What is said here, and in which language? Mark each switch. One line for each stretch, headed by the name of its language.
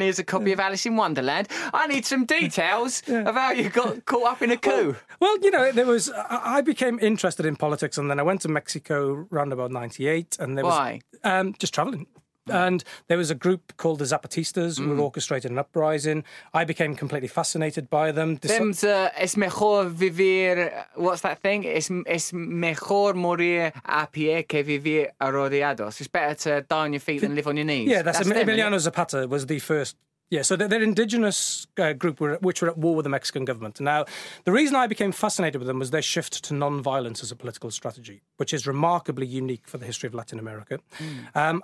English: Here's a copy of Alice in Wonderland. I need some details of how you got caught up in a coup. Well, you know, there was. I became interested in politics, and then I went to Mexico around about 98. And there Why? Was just traveling. And there was a group called the Zapatistas who were orchestrating an uprising. I became completely fascinated by them.
Spanish: Es mejor vivir,
English: what's that thing?
Spanish: Es mejor morir a pie que vivir arrodillados.
English: It's better to die on your feet than live on your knees. Yeah, that's Emiliano Zapata was the first. Yeah, so their indigenous group, which were at war with the Mexican government. Now, the reason I became fascinated with them was their shift to non-violence as a political strategy, which is remarkably unique for the history of Latin America. Mm.